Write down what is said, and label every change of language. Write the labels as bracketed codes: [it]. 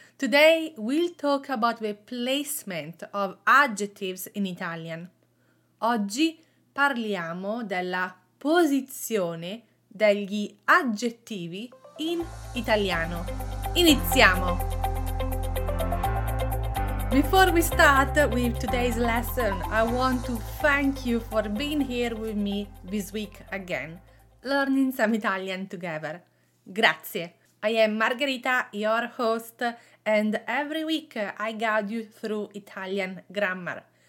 [en] Today we'll talk about the placement of adjectives in Italian. [it] Oggi parliamo della posizione degli aggettivi in italiano. Iniziamo! [en] Before we start with today's lesson, I want to thank you for being here with me this week again, learning some Italian together. [it] Grazie! [en] I am Margherita, your host, and every week I guide you through Italian grammar.